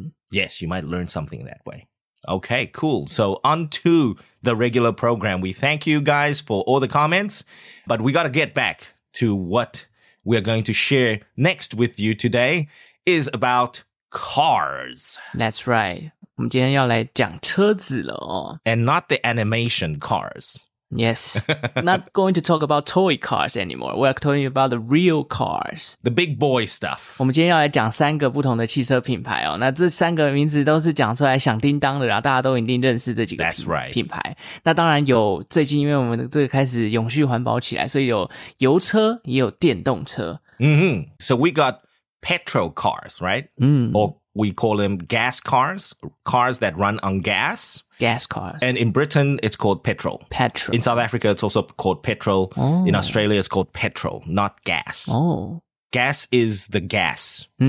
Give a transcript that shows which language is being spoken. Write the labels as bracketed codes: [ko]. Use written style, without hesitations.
[en] Yes, you might learn something that way. Okay, cool. So on to the regular program. We thank you guys for all the comments, but we got to get back to what we're going to share next with you today is about cars. That's right. [zh] 我们今天要来讲车子了哦。 [en] And not the animation cars. Yes, not going to talk about toy cars anymore. We're talking about the real cars. The big boy stuff. [zh] 我们今天要来讲三个不同的汽车品牌哦。那这三个名字都是讲出来响叮当的，然后大家都一定认识这几个 品牌。那当然有最近因为我们这个开始永续环保起来，所以有油车也有电动车。 [en] So we got petrol cars, right? Or we call them gas cars, cars that run on gas. Gas cars. And in Britain, it's called petrol. Petrol. In South Africa, it's also called petrol. Oh. In Australia, it's called petrol, not gas. Oh. Gas is the gas.